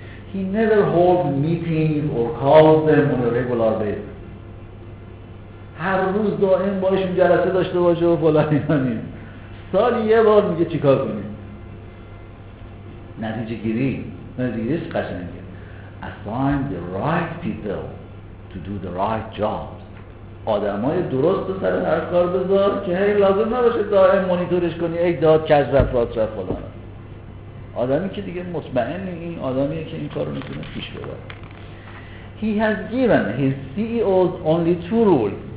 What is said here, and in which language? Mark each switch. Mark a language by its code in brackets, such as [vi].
[en] He never holds meetings or calls them on a regular basis. [fa] هر روز دائم باشون جلسه داشته باشه و فلانی. سالی یه بار میگه چیکار کنیم. نتیجه گیری، نتیجه قشنگه. [en] Assign the right people to do the right jobs. [fa] آدمای درست سر هر کار بذار که هی لازم نباشه دائم مانیتورش کنی، ای داد کج رفت راست رفت فلان. آدمی که دیگه مطمئنه این آدمیه که این کارو میتونه پیش ببره. [en] He has given his CEOs only two rules.